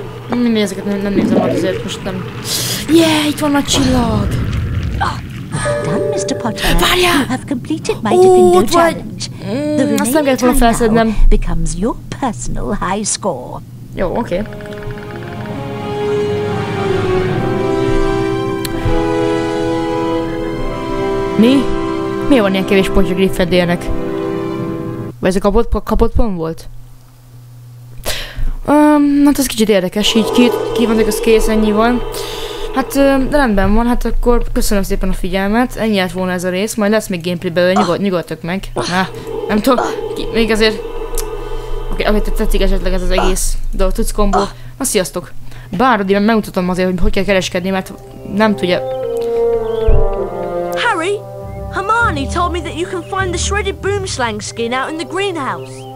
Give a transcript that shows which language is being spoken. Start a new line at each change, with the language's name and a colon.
Hungarian: Mindig ezeket nem nézem, hogy azért most nem... Yeah, itt van a csillag!
English: Mr. Potter,
Hungarian: várjál!
English: You have completed my Defendo challenge.
Hungarian: Azt nem kellett volna felszednem.
English: Becomes your personal high score.
Hungarian: Jó, oké. Okay. Mi? Mi van ilyen kevés pontja Griffithnek? Vagy ez a kapott pont volt? Hát ez kicsit érdekes, így ki van, hogy az kész, ennyi van. Hát, de rendben van, hát akkor köszönöm szépen a figyelmet, ennyi lett volna ez a rész, majd lesz még gameplay belőle, nyugodtok meg. Nem tudom, még azért... Oké, okay, amit tetszik esetleg ez az egész dolog, tudsz kombó. Na, sziasztok! Bár, Rodi, megmutatom azért, hogy kell kereskedni, mert nem tudja...
English: Harry! Hermione told me that you can find the shredded boomslang skin out in the greenhouse.